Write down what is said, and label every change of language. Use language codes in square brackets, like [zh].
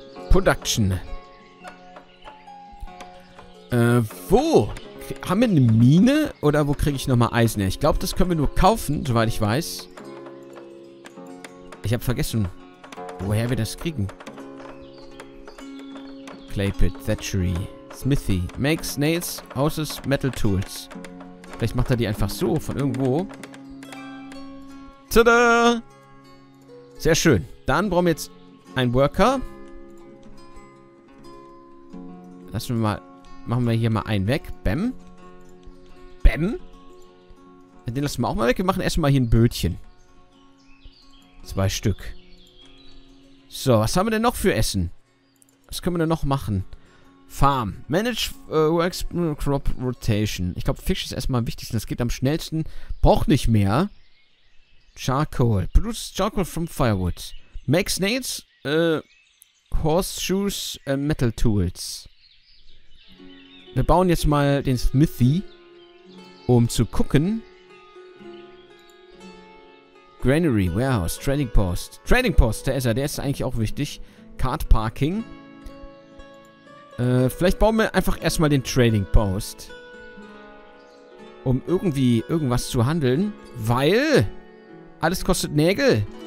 [en] Production. [de] Wo? Haben wir eine Mine? Oder wo kriege ich nochmal Eisen her? Ich glaube, das können wir nur kaufen, soweit ich weiß. Ich habe vergessen, woher wir das kriegen. [en] Claypit, Thatchery, Smithy. Makes nails, houses, metal tools. [de] Vielleicht macht er die einfach so, von irgendwo. Tada! Sehr schön. Dann brauchen wir jetzt einen Worker. Lassen wir mal. Machen wir hier mal einen weg. Bäm. Bäm. Den lassen wir auch mal weg. Wir machen erstmal hier ein Bötchen. Zwei Stück. So, was haben wir denn noch für Essen? Was können wir denn noch machen? Farm. [en] Manage Works Crop Rotation. [de] Ich glaube, Fisch ist erstmal am wichtigsten. Das geht am schnellsten. Braucht nicht mehr. [en] Charcoal. Produce Charcoal from Firewood. Make Snails. Horseshoes. Metal Tools. [de] Wir bauen jetzt mal den Smithy, um zu gucken. [en] Granary, Warehouse, Trading Post. [de] Trading Post, der ist er. Der ist eigentlich auch wichtig. Card Parking. Vielleicht bauen wir einfach erstmal den Trading Post. Um irgendwie irgendwas zu handeln. Weil alles kostet Nägel.